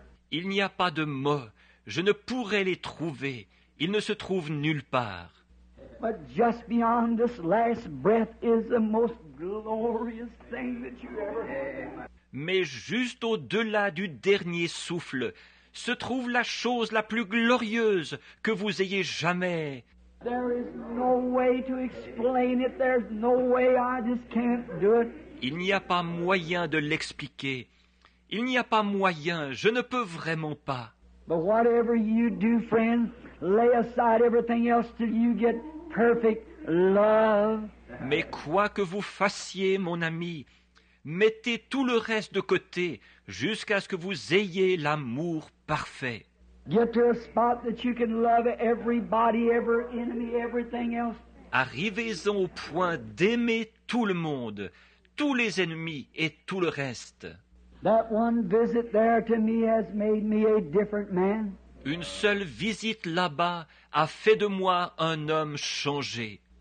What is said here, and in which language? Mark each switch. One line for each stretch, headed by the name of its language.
French: Il n'y a pas de mots, je ne pourrais les trouver, ils ne se trouvent nulle part.
English: But just beyond this last breath is the most glorious thing that you ever had.
French: Mais juste au-delà du dernier souffle se trouve la chose la plus glorieuse que vous ayez jamais.
English: There is no way to explain it. There's no way. I just can't do it.
French: Il n'y a pas moyen de l'expliquer. Il n'y a pas moyen. Je ne peux vraiment pas.
English: But whatever you do, friend, lay aside everything else till you get perfect love.
French: Mais quoi que vous fassiez, mon ami, mettez tout le reste de côté jusqu'à ce que vous ayez l'amour parfait.
English: Get to a spot that you can love everybody, every enemy, everything else.
French: Arrivez-en au point d'aimer tout le monde, tous les ennemis et tout le reste.
English: That one visit there to me has made me a different man.
French: Une seule visite là-bas a fait de moi un homme changé.